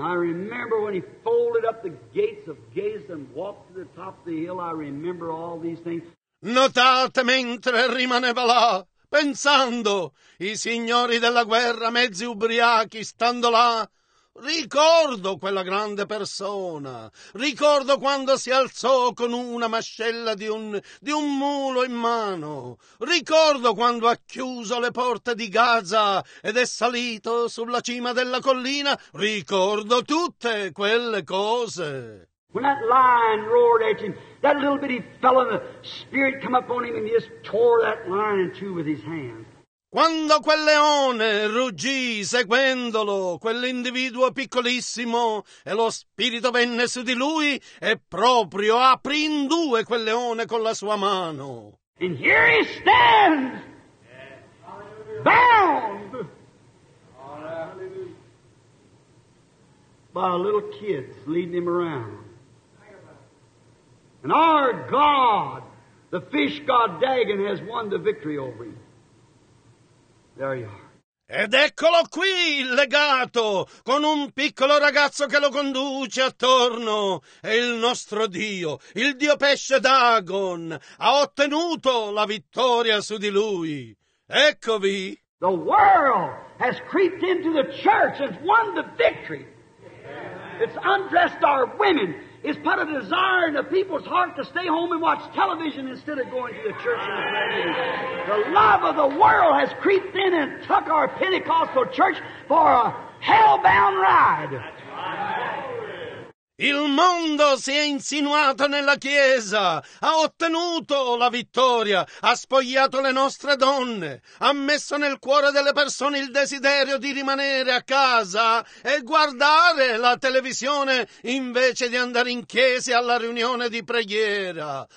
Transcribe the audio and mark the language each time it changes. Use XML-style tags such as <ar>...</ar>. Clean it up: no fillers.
<en>I remember when he folded up the gates of Gaza and walked to the top of the hill. I remember all these things.</en> <it>Notate mentre rimaneva là, pensando, i signori della guerra, mezzi ubriachi, stando là, ricordo quella grande persona, ricordo quando si alzò con una mascella di un mulo in mano, ricordo quando ha chiuso le porte di Gaza ed è salito sulla cima della collina, ricordo tutte quelle cose.</it> <en>When that lion roared at him, that little bitty fellow, the spirit come up on him and just tore that lion in two with his hand.</en> <it>Quando quel leone ruggì seguendolo, quell'individuo piccolissimo, e lo spirito venne su di lui e proprio aprì in due quel leone con la sua mano.</it> <en>And here he stands, bound by little kids leading him around. And our God, the fish god Dagon, has won the victory over him. There you are.</en> <it>Ed eccolo qui, legato, con un piccolo ragazzo che lo conduce attorno. E il nostro Dio, il Dio pesce Dagon, ha ottenuto la vittoria su di lui. Eccovi.</it> <en>The world has creeped into the church and won the victory. It's undressed our women. It's put a desire in the people's heart to stay home and watch television instead of going to the church and the family. The love of the world has creeped in and took our Pentecostal church for a hell-bound ride.</en> <it>Il mondo si è insinuato nella chiesa, ha ottenuto la vittoria, ha spogliato le nostre donne, ha messo nel cuore delle persone il desiderio di rimanere a casa e guardare la televisione invece di andare in chiesa alla riunione di preghiera.</it>